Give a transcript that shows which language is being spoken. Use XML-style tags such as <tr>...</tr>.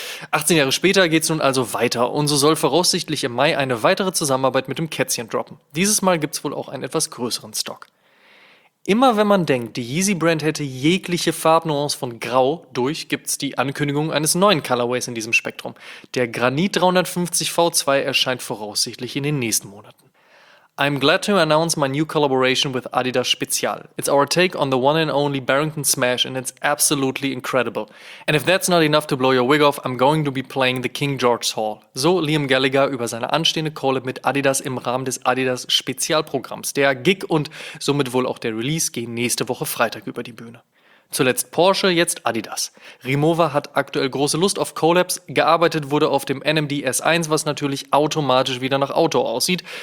<de>18 Jahre später geht's nun also weiter und so soll voraussichtlich im Mai eine weitere Zusammenarbeit mit dem Kätzchen droppen. Dieses Mal gibt's wohl auch einen etwas größeren Stock. Immer wenn man denkt, die Yeezy Brand hätte jegliche Farbnuance von Grau durch, gibt's die Ankündigung eines neuen Colorways in diesem Spektrum. Der Granit 350 V2 erscheint voraussichtlich in den nächsten Monaten.</de> <en>I'm glad to announce my new collaboration with Adidas Spezial. It's our take on the one and only Barrington Smash, and it's absolutely incredible. And if that's not enough to blow your wig off, I'm going to be playing the King George's Hall.</en> <de>So Liam Gallagher über seine anstehende Collab mit Adidas im Rahmen des Adidas Spezialprogramms. Der Gig und somit wohl auch der Release gehen nächste Woche Freitag über die Bühne. Zuletzt Porsche, jetzt Adidas. Rimowa hat aktuell große Lust auf Collabs. Gearbeitet wurde auf dem NMD S1, was natürlich automatisch wieder nach Auto aussieht.</de>